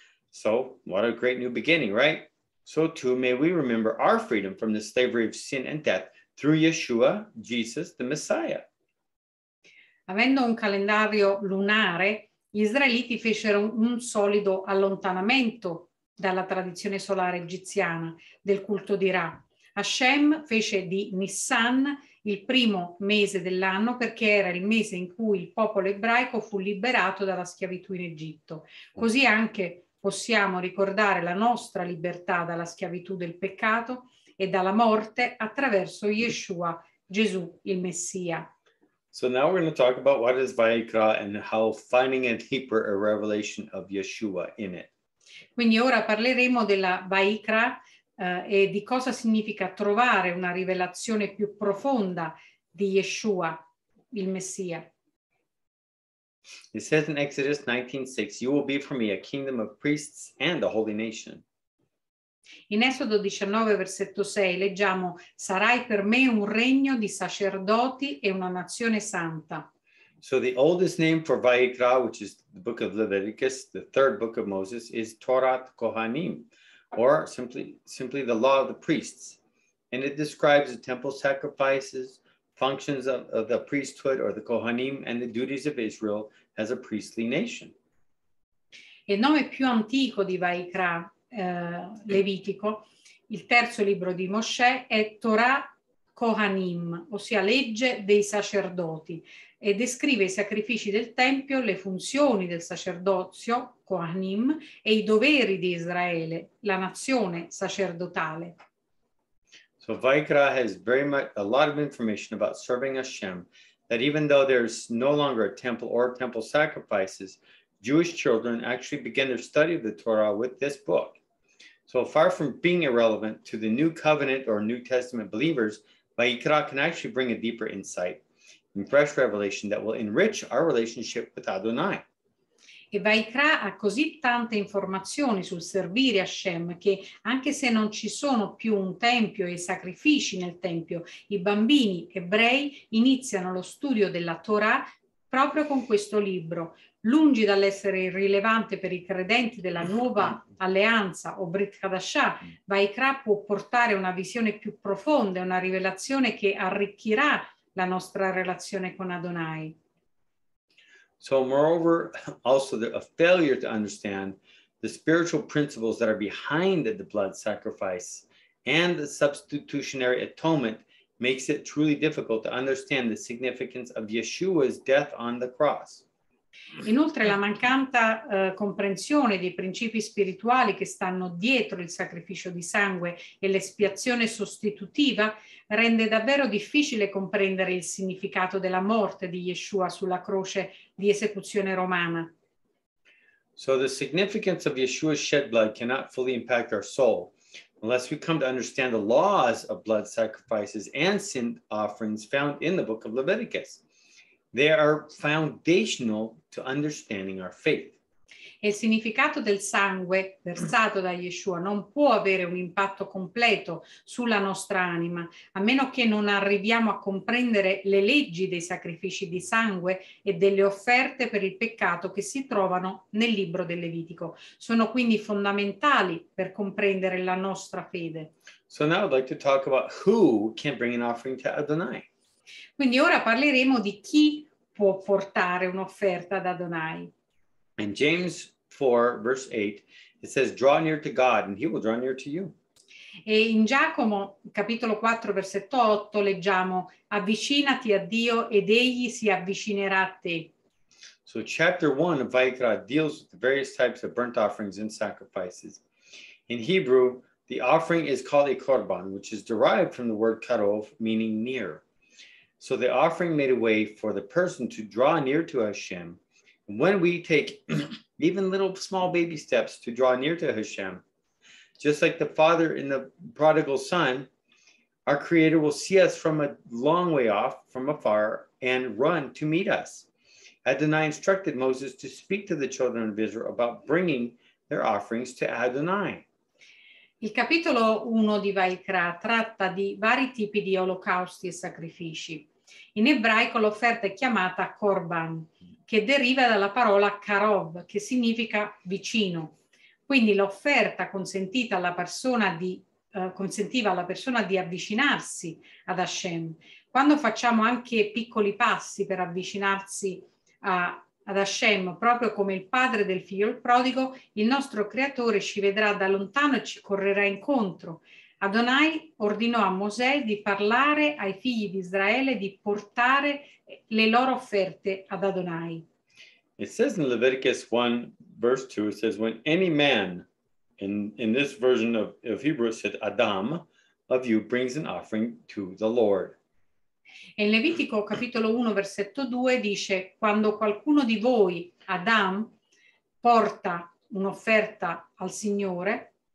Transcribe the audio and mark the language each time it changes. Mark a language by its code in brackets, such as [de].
[en] So what a great new beginning, right? So too may we remember our freedom from the slavery of sin and death through Yeshua, Jesus, the Messiah. [it] Avendo un calendario lunare, gli Israeliti fecero un solido allontanamento dalla tradizione solare egiziana del culto di Ra. Hashem fece di Nisan il primo mese dell'anno perché era il mese in cui il popolo ebraico fu liberato dalla schiavitù in Egitto. Così anche possiamo ricordare la nostra libertà dalla schiavitù del peccato e dalla morte attraverso Yeshua, Gesù, il Messia. [en] So now we're going to talk about what is Vayikra and how finding a deeper a revelation of Yeshua in it. [it] Quindi ora parleremo della Vayikra e di cosa significa trovare una rivelazione più profonda di Yeshua, il Messia. [en] It says in Exodus 19:6, "You will be for me a kingdom of priests and a holy nation." [it] In Esodo 19, versetto 6, leggiamo: "Sarai per me un regno di sacerdoti e una nazione santa." [en] So the oldest name for Vayikra, which is the book of Leviticus, the third book of Moses, is Torat Kohanim, or simply the law of the priests. And it describes the temple sacrifices, functions of the priesthood or the Kohanim, and the duties of Israel as a priestly nation. [it] Il nome più antico di Vayikra, Levitico, il terzo libro di Mosè, è Torah Kohanim, ossia legge dei sacerdoti, e descrive i sacrifici del Tempio, le funzioni del sacerdozio, Kohanim, e i doveri di Israele, la nazione sacerdotale. [en] So Vayikra has very much a lot of information about serving Hashem, that even though there's no longer a temple or temple sacrifices, Jewish children actually begin their study of the Torah with this book. So far from being irrelevant to the New Covenant or New Testament believers, Vayikra can actually bring a deeper insight and fresh revelation that will enrich our relationship with Adonai. [it] E Vayikra ha così tante informazioni sul servire Hashem che anche se non ci sono più un tempio e sacrifici nel tempio, i bambini ebrei iniziano lo studio della Torah proprio con questo libro. Lungi dall'essere irrilevante per i credenti della nuova alleanza o Brit Hadashah, Vayikra può portare una visione più profonda, una rivelazione che arricchirà la nostra relazione con Adonai. [en] So moreover, also a failure to understand the spiritual principles that are behind the blood sacrifice and the substitutionary atonement makes it truly difficult to understand the significance of Yeshua's death on the cross. [it] Inoltre, la mancanza comprensione dei principi spirituali che stanno dietro il sacrificio di sangue e l'espiazione sostitutiva rende davvero difficile comprendere il significato della morte di Yeshua sulla croce di esecuzione romana. [en] So the significance of Yeshua's shed blood cannot fully impact our soul unless we come to understand the laws of blood sacrifices and sin offerings found in the book of Leviticus. They are foundational to understanding our faith. [it] Il significato del sangue versato da Yeshua non può avere un impatto completo sulla nostra anima, a meno che non arriviamo a comprendere le leggi dei sacrifici di sangue e delle offerte per il peccato che si trovano nel libro del Levitico. Sono quindi fondamentali per comprendere la nostra fede. [en] So now I'd like to talk about who can bring an offering to Adonai. [it] Quindi ora parleremo di chi può portare un'offerta ad Adonai. [en] In James 4, verse 8, it says, "Draw near to God, and he will draw near to you." [it] E in Giacomo, capitolo 4, versetto 8, leggiamo, "Avvicinati a Dio, ed egli si avvicinerà a te." [en] So chapter 1 of Vayikra deals with the various types of burnt offerings and sacrifices. In Hebrew, the offering is called a korban, which is derived from the word karov, meaning near. So the offering made a way for the person to draw near to Hashem. When we take even little small baby steps to draw near to Hashem, just like the father in the prodigal son, our Creator will see us from a long way off, from afar, and run to meet us. Adonai instructed Moses to speak to the children of Israel about bringing their offerings to Adonai. [it] Il capitolo 1 di Vayikra tratta di vari tipi di olocausti e sacrifici. In ebraico l'offerta è chiamata korban, che deriva dalla parola karov, che significa vicino. Quindi l'offerta consentita alla persona di consentiva alla persona di avvicinarsi ad Hashem. Quando facciamo anche piccoli passi per avvicinarsi ad Hashem, proprio come il padre del figlio il prodigo, il nostro creatore ci vedrà da lontano e ci correrà incontro. Adonai ordinò a Mosè di parlare ai figli di Israele di portare le loro offerte ad Adonai. [en] It says in Leviticus 1, verse 2, it says, "When any man," in this version of Hebrew it said, "Adam of you brings an offering to the Lord." [it] E in Levitico capitolo 1, versetto 2 dice: quando qualcuno di voi, Adam, porta un'offerta al Signore.